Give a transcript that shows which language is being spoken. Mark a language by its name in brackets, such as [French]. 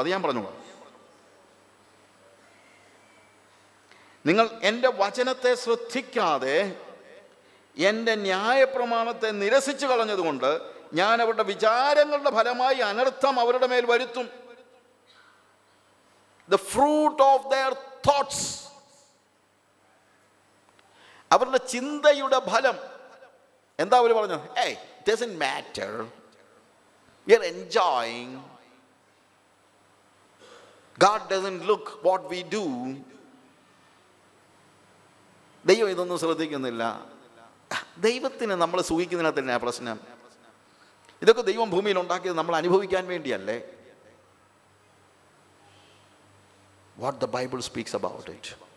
[Malayalam] അത് ഞാൻ പറഞ്ഞു, നിങ്ങൾ എൻ്റെ വചനത്തെ ശ്രദ്ധിക്കാതെ എൻ്റെ ന്യായപ്രമാണത്തെ നിരസിച്ചു കളഞ്ഞതുകൊണ്ട് ഞാൻ അവരുടെ വിചാരങ്ങളുടെ ഫലമായി അനർത്ഥം അവരുടെ മേൽ വരുത്തും. [English] The fruit of their thoughts. [Malayalam] അവരുടെ ചിന്തയുടെ ഫലം എന്താ അവർ പറഞ്ഞത്? [English] ഏയ്, doesn't matter, we are enjoying, God doesn't look what we do. [Malayalam] ദൈവം ഇതൊന്നും ശ്രദ്ധിക്കുന്നില്ല. ദൈവത്തിന് നമ്മൾ സൂഹിക്കുന്നതിനകത്ത് തന്നെ പ്രശ്നം. ഇതൊക്കെ ദൈവം ഭൂമിയിൽ ഉണ്ടാക്കിയത് നമ്മൾ അനുഭവിക്കാൻ വേണ്ടിയല്ലേ? [English] What the Bible speaks about it.